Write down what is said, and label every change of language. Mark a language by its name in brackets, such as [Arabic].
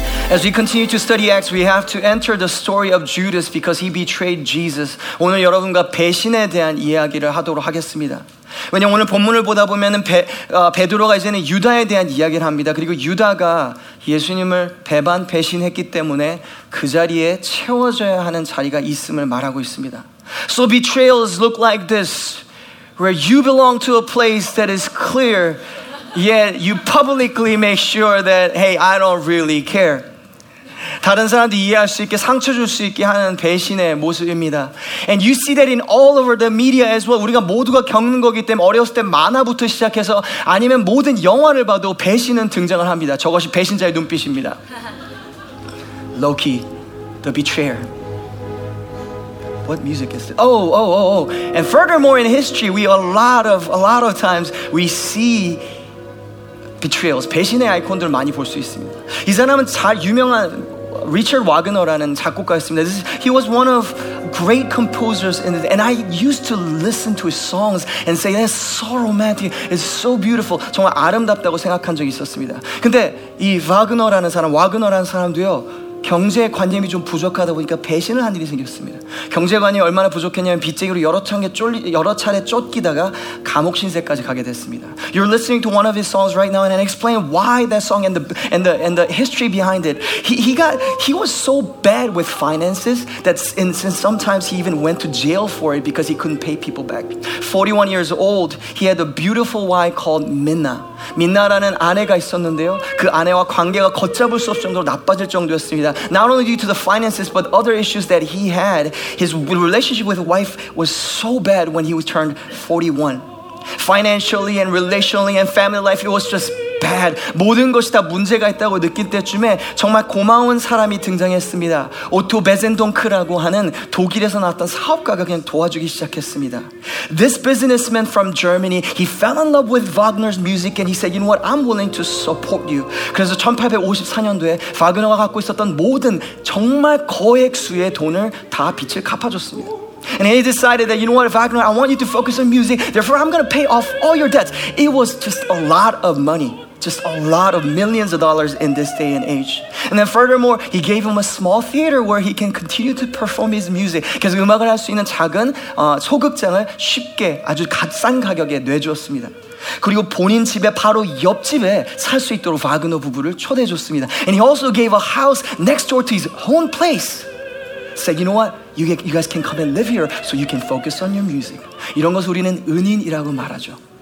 [English] As we continue to study Acts, we have to enter the story of Judas because he betrayed Jesus. [Korean] 오늘 여러분과 배신에 대한 이야기를 하도록 하겠습니다. 왜냐하면 오늘 본문을 보다 보면은 베드로가 이제는 유다에 대한 이야기를 합니다. 그리고 유다가 예수님을 배반 배신했기 때문에 그 자리에 채워져야 하는 자리가 있음을 말하고 있습니다. [English] So betrayals look like this, where you belong to a place that is clear, yet you publicly make sure that, hey, I don't really care. [Korean] 다른 사람도 이해할 수 있게 상처 줄 수 있게 하는 배신의 모습입니다. [English] And you see that in all over the media as well. [Korean] 우리가 모두가 겪는 거기 때문에 어렸을 때 만화부터 시작해서 아니면 모든 영화를 봐도 배신은 등장을 합니다. 저것이 배신자의 눈빛입니다. [English] Loki, the betrayer. What music is this? Oh. And furthermore, in history, a lot of times we see betrayals. [Korean] 배신의 아이콘들을 많이 볼 수 있습니다. 이 사람은 잘 유명한 리처드 와그너라는 작곡가였습니다. [English] He was one of great composers, and I used to listen to his songs and say, "That's so romantic. It's so beautiful." [Korean] 정말 아름답다고 생각한 적이 있었습니다. 근데 이 와그너라는 사람도요. 경제에 관념이 좀 부족하다 보니까 배신을 한 일이 생겼습니다. 경제관이 얼마나 부족했냐면 빚쟁이로 여러 차례 쫓기다가 감옥 신세까지 가게 됐습니다. [English] You're listening to one of his songs right now and explain why that song and the history behind it. He was so bad with finances that sometimes he even went to jail for it because he couldn't pay people back. 41 years old, he had a beautiful wife called Minna. [Korean] Minna라는 아내가 있었는데요. 그 아내와 관계가 걷잡을 수 없을 정도로 나빠질 정도였습니다. [English] Not only due to the finances, but other issues that he had. His relationship with wife was so bad when he was turned 41. Financially and relationally and family life, it was just bad. [Korean] 모든 것이 다 문제가 있다고 느낄 때쯤에 정말 고마운 사람이 등장했습니다. 오토 베젠동크라고 하는 독일에서 나왔던 사업가가 그냥 도와주기 시작했습니다. [English] This businessman from Germany, he fell in love with Wagner's music and he said, you know what, I'm willing to support you. [Korean] 그래서 1854년도에 와그너가 갖고 있었던 모든 정말 거액수의 돈을 다 빚을 갚아줬습니다. [English] And he decided that, you know what, Wagner, I want you to focus on music. Therefore, I'm going to pay off all your debts. It was just a lot of money. Just a lot of millions of dollars in this day and age. And then furthermore, he gave him a small theater where he can continue to perform his music. [Korean] 계속 음악을 할 수 있는 작은 소극장을 쉽게 아주 싼 가격에 내줬습니다. 그리고 본인 집에 바로 옆집에 살 수 있도록 와그너 부부를 초대해줬습니다. [English] And he also gave a house next door to his own place. Said, you know what? You guys can come and live here so you can focus on your music. [Korean] 이런 것을 우리는 은인이라고 말하죠.